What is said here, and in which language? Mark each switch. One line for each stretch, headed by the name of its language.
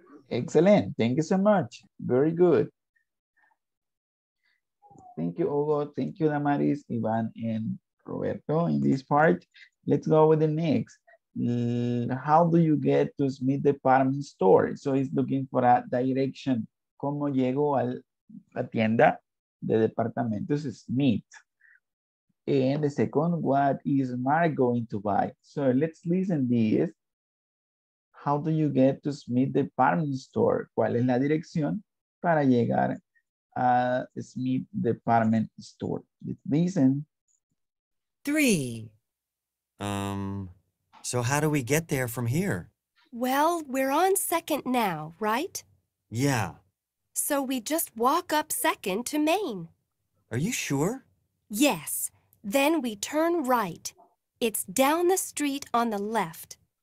English: Excellent. Thank you so much. Very good. Thank you, Hugo. Thank you, Damaris, Ivan, and Roberto in this part. Let's go with the next. How do you get to Smith Department Store? So it's looking for a direction.
Spanish: ¿Cómo llego a la tienda de departamentos Smith?
English: And the second, what is Mark going to buy? So let's listen this. How do you get to Smith Department Store?
Spanish: ¿Cuál es la dirección para llegar a Smith Department Store?
English: Let's listen. Three. So how do we get there from here? Well, we're on Second now, right? Yeah. So we just walk up Second to Main. Are you sure? Yes. Then we turn right. It's down the street on the left.